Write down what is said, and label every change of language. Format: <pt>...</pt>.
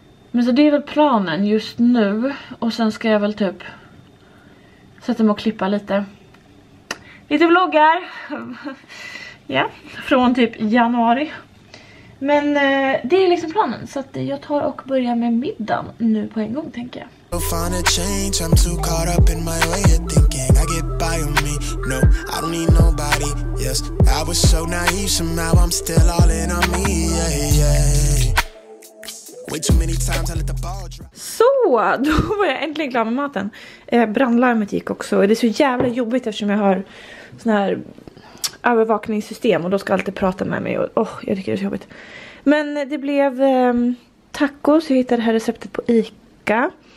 <sv>Men så det är väl planen just nu. Och sen ska jag väl typ sätta mig och klippa lite. Lite vloggar. Ja, från typ januari. Men det är liksom planen, så att jag tar och börjar med middagen nu på en gång, tänker jag.</sv> <en>I'll find a change, I'm too caught up in my way of thinking. I get by on me, no, I don't need nobody, yes. I was so naive, somehow I'm still all in on me, yeah, yeah. Way too many times I let the ball drop.</en> <sv>Så, då var jag äntligen klar med maten. Brandlarmet gick också, och det är så jävla jobbigt eftersom jag har sån här övervakningssystem och då ska alltid prata med mig och jag tycker det är så jobbigt. Men det blev tacos. Jag hittade det här receptet på ICA.</sv>